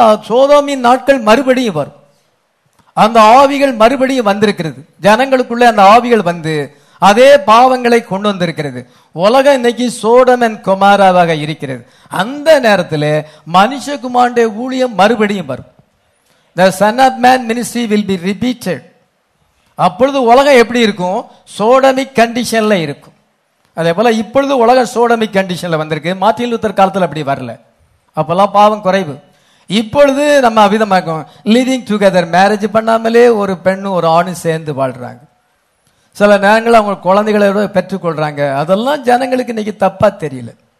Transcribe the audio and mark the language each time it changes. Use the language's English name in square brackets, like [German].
[Tamil] சோதோமின் நாட்கள் மறுபடியும் வரும். அந்த ஆவிகள் மறுபடியும் வந்திருக்கிறது ஜனங்களுக்குள்ள. அந்த ஆவிகள் வந்து அதே பாவங்களை கொண்டு வந்திருக்கிறது. உலகம் இன்னைக்கு சோதோம் அண்ட் குமாராவாக இருக்கிறது. அந்த நேரத்தில் மனுஷகுமாரின் ஊழியம் மறுபடியும் வரும். [English] The Son of Man ministry will be repeated. [Tamil] அப்பொழுது உலகம் எப்படி இருக்கும்? சோடமிக் கண்டிஷன்ல இருக்கும். அதே போல இப்பொழுது உலகம் சோடமிக் கண்டிஷன்ல வந்திருக்கு. மார்ட்டின் லூத்தர் காலத்தில் அப்படி வரல, அப்பெல்லாம் பாவம் குறைவு. இப்பொழுது நம்ம அவிதமாக்கும், [English] living together, [Tamil] மேரேஜ் பண்ணாமலே ஒரு பெண்ணும் ஒரு ஆணும் சேர்ந்து வாழ்றாங்க. சில நேரங்கள் அவங்க குழந்தைகளை பெற்றுக்கொள்றாங்க. அதெல்லாம் ஜனங்களுக்கு இன்னைக்கு தப்பா தெரியல.